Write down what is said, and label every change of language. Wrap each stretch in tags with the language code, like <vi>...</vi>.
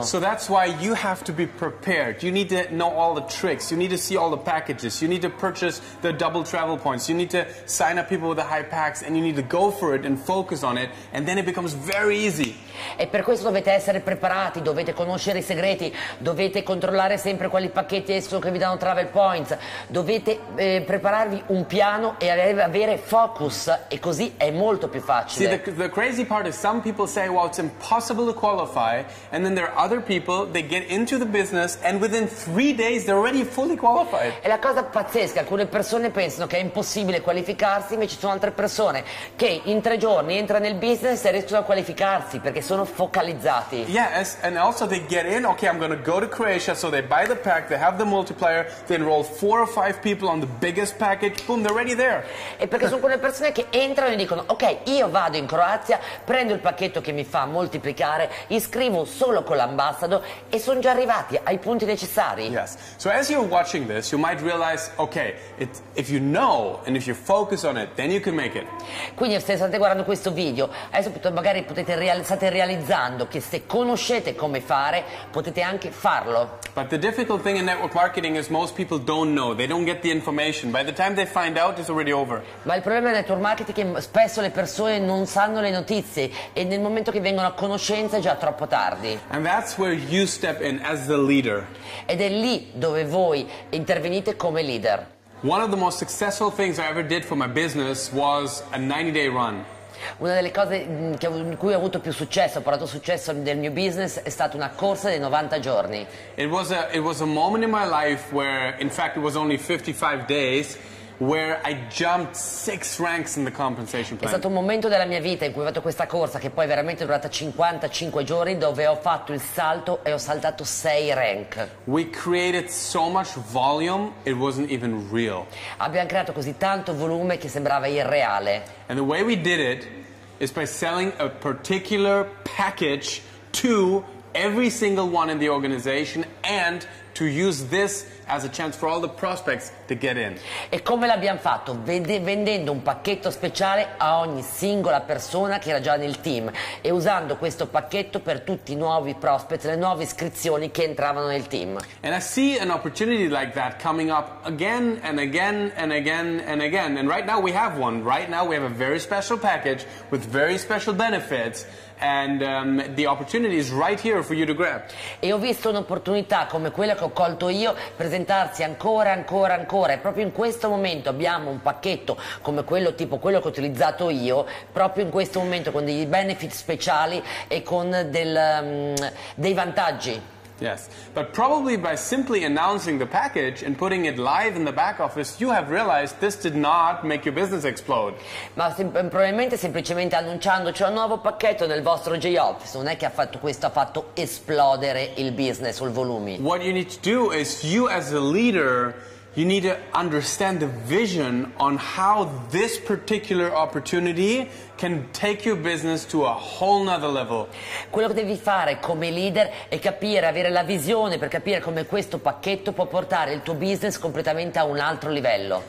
<en>So that's why you have to be prepared. You need to know all the tricks, you need to see all the packages, you need to purchase the double travel points, you need to sign up people with the high packs, and you need to go for it and focus on it, and then it becomes very easy.</en> <it>E per questo dovete essere preparati, dovete conoscere i segreti, dovete controllare sempre quali pacchetti escono che vi danno travel points, dovete prepararvi un piano e avere focus, e così è molto più facile.</it> <en>See, the crazy part is some people say, well, it's impossible to qualify, and then there are other people, they get into the business and within 3 days they're already fully qualified.</en> <it>È la cosa pazzesca, alcune persone pensano che è impossibile qualificarsi, invece ci sono altre persone che in 3 giorni entrano nel business e riescono a qualificarsi perché sono focalizzati.</it> <en>Yes, and also they get in, okay, I'm gonna go to Croatia, so they buy the pack, they have the multiplier, they enroll 4 or 5 people on the biggest package, boom, they're already there.</en> <it>E perché sono quelle persone che entrano e dicono, ok, io vado in Croazia, prendo il pacchetto che mi fa moltiplicare, iscrivo solo con l'ambassador e sono già arrivati ai punti necessari.</it> <en>Yes, so as you're watching this, you might realize, okay, if you know and if you focus on it, then you can make it.</en> <it>Quindi se state guardando questo video, adesso magari potete realizzare, state realizzando che se conoscete come fare, potete anche farlo.</it> <en>But the difficult thing in network marketing is most people don't know. They don't get the information. By the time they find out, it's already over.</en> <it>Ma il problema del network marketing è che spesso le persone non sanno le notizie e nel momento che vengono a conoscenza è già troppo tardi.</it> <en>And that's where you step in as the leader.</en> <it>Ed è lì dove voi intervenite come leader.</it> <en>One of the most successful things I ever did for my business was a 90-day run.</en> <it>Una delle cose in cui ho avuto più successo, ho portato successo nel mio business, è stata una corsa dei 90 giorni.</it> <en>It was a moment in my life where, in fact, it was only 55 days, where I jumped 6 ranks in the compensation plan.</en> <it>È stato un momento della mia vita in cui ho fatto questa corsa, che poi è veramente durata 55 giorni, dove ho fatto il salto e ho saltato 6 rank.</it> <en>We created so much volume, it wasn't even real.</en> <it>Abbiamo creato così tanto volume che sembrava irreale.</it> <en>And the way we did it is by selling a particular package to every single one in the organization and to use this as a chance for all the prospects to get in.</en> <it>E come l'abbiamo fatto? Vendendo un pacchetto speciale a ogni singola persona che era già nel team e usando questo pacchetto per tutti i nuovi prospects, le nuove iscrizioni che entravano nel team.</it> <en>And I see an opportunity like that coming up again and again and again and again. And right now we have one. Right now we have a very special package with very special benefits. And the opportunity is right here for you to grab.</en> <it>E ho visto un'opportunità come quella che ho colto io presentarsi ancora, ancora, ancora. E proprio in questo momento abbiamo un pacchetto come quello, tipo quello che ho utilizzato io, proprio in questo momento, con dei benefit speciali e con dei vantaggi.</it> <en>Yes, but probably by simply announcing the package and putting it live in the back office, you have realized this did not make your business explode.</en> <it>Ma probabilmente semplicemente annunciando c'è un nuovo pacchetto nel vostro J-Office, non è che ha fatto esplodere il business o il volume.</it> <en>What you need to do is you as a leader, you need to understand the vision on how this particular opportunity can take your business to a whole nother level.</en> <it>Quello che devi fare come leader è capire, avere la visione per capire come questo pacchetto può portare il tuo business completamente a un altro livello.</it>